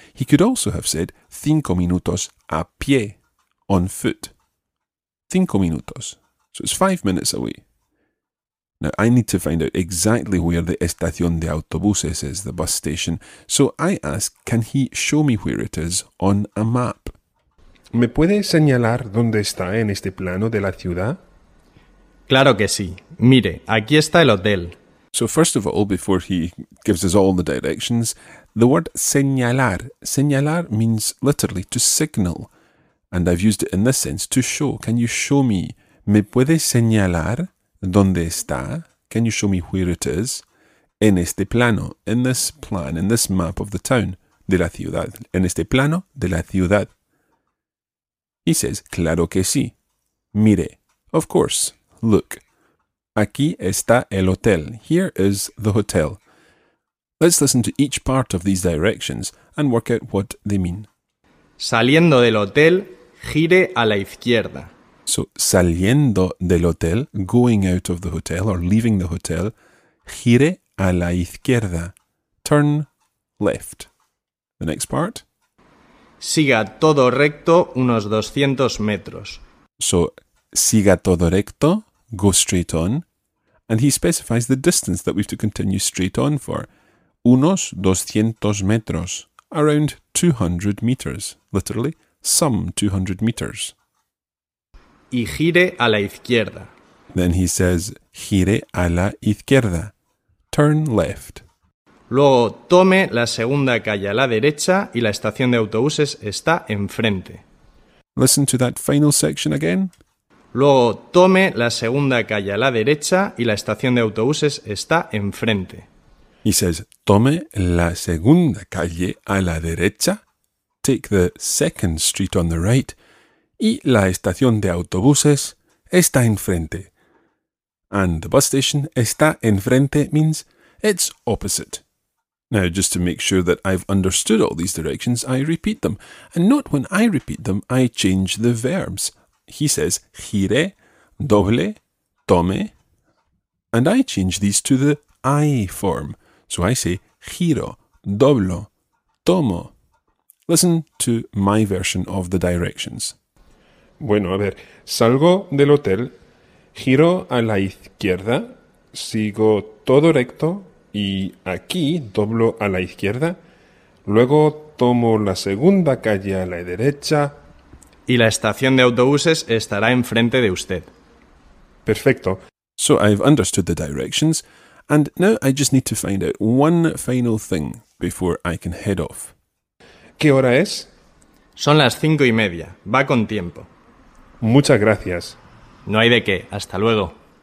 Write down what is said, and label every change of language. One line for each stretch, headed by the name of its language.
English: He could also have said,
Spanish: 5 minutos a pie,
English: on foot.
Spanish: 5 minutos.
English: So, it's 5 minutes away. Now, I need to find out exactly where the
Spanish: estación de autobuses
English: is, the bus station. So I ask, can he show me where it is on a map?
Spanish: ¿Me puede señalar dónde está en este plano de la ciudad? Claro que sí. Mire, aquí está el hotel.
English: So first of all, before he gives us all the directions, the word señalar. Señalar means literally to signal. And I've used it in this sense, to show. Can you show me?
Spanish: ¿Me puede señalar? ¿Dónde está?
English: Can you show me where it is?
Spanish: En este plano,
English: in this plan, in this map of the town,
Spanish: de la ciudad. En este plano, de la ciudad.
English: He says,
Spanish: claro que sí. Mire,
English: of course, look.
Spanish: Aquí está el hotel.
English: Here is the hotel. Let's listen to each part of these directions and work out what they mean.
Spanish: Saliendo del hotel, gire a la izquierda.
English: So,
Spanish: saliendo del hotel,
English: going out of the hotel or leaving the hotel,
Spanish: gire a la izquierda,
English: turn left. The next part.
Spanish: Siga todo recto unos 200 metros.
English: So,
Spanish: siga todo recto,
English: go straight on. And he specifies the distance that we have to continue straight on for.
Spanish: Unos 200 metros,
English: around 200 meters, literally, some 200 meters.
Spanish: Y gire a la izquierda.
English: Then he says,
Spanish: gire a la izquierda.
English: Turn left.
Spanish: Luego tome la segunda calle a la derecha y la estación de autobuses está enfrente.
English: Listen to that final section again.
Spanish: Luego tome la segunda calle a la derecha y la estación de autobuses está enfrente.
English: He says,
Spanish: tome la segunda calle a la derecha.
English: Take the second street on the right.
Spanish: Y la estación de autobuses está enfrente.
English: And the bus station
Spanish: está enfrente
English: means it's opposite. Now, just to make sure that I've understood all these directions, I repeat them. And note when I repeat them, I change the verbs. He says,
Spanish: gire, doble, tome.
English: And I change these to the I form. So I say
Spanish: giro, doblo, tomo.
English: Listen to my version of the directions.
Spanish: Bueno, a ver, salgo del hotel, giro a la izquierda, sigo todo recto y aquí doblo a la izquierda, luego tomo la segunda calle a la derecha. Y la estación de autobuses estará enfrente de usted. Perfecto.
English: So I've understood the directions, and now I just need to find out one final thing before I can head off.
Spanish: ¿Qué hora es? Son las 5:30. Va con tiempo. Muchas gracias. No hay de qué. Hasta luego.